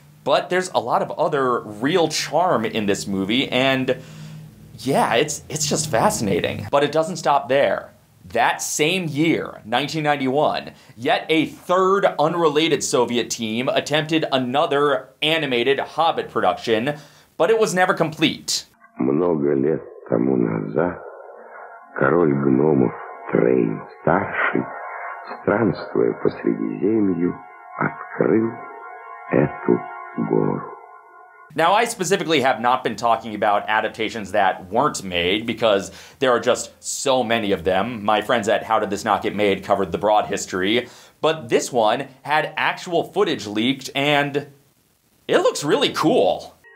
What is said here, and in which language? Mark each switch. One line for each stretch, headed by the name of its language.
English: But there's a lot of other real charm in this movie, and yeah, it's just fascinating. But it doesn't stop there. that same year, 1991, yet a third unrelated Soviet team attempted another animated Hobbit production, but it was never complete.
Russian: Много лет тому назад король гномов Трейн старший, странствуя по Средиземью, открыл эту гору.
English: Now, I specifically have not been talking about adaptations that weren't made, because there are just so many of them. My friends at How Did This Not Get Made covered the broad history. But this one had actual footage leaked, and it looks really cool.